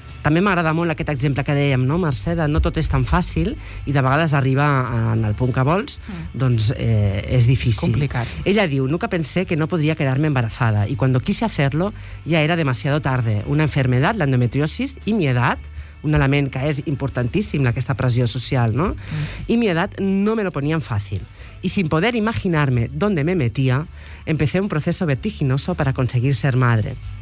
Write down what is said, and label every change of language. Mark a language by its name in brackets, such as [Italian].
[Catalan] també m'agrada molt aquest exemple que dèiem, no, Mercè, de no tot és tan fàcil i de vegades arribar en el punt que vols, doncs és difícil. És complicat. Ella diu, [Spanish] nunca pensé que no podría quedarme embarazada y cuando quise hacerlo ya era demasiado tarde. Una enfermedad, la endometriosis y mi edad, [Catalan] un element que és importantíssim, aquesta pressió social, no? [Spanish] I mi edat no me lo ponían fácil. Y sin poder imaginarme dónde me metía, empecé un proceso vertiginoso para conseguir ser madre.